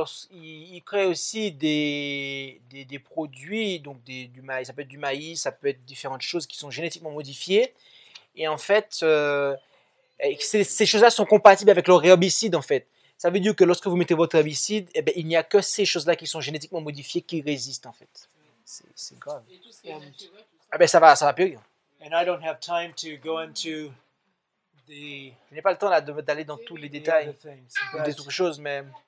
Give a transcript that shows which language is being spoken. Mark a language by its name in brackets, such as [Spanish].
[French] Il crée aussi des produits, donc du maïs, ça peut être du maïs, ça peut être différentes choses qui sont génétiquement modifiées. Et en fait, ces choses-là sont compatibles avec leur herbicide, en fait. Ça veut dire que lorsque vous mettez votre herbicide, eh bien, il n'y a que ces choses-là qui sont génétiquement modifiées qui résistent, en fait. C'est grave. Et tout ce qui est naturel, ça va pire. [English] And I don't have time to go into the... [French] Je n'ai pas le temps là, d'aller dans tous les détails, ou des autres choses, mais...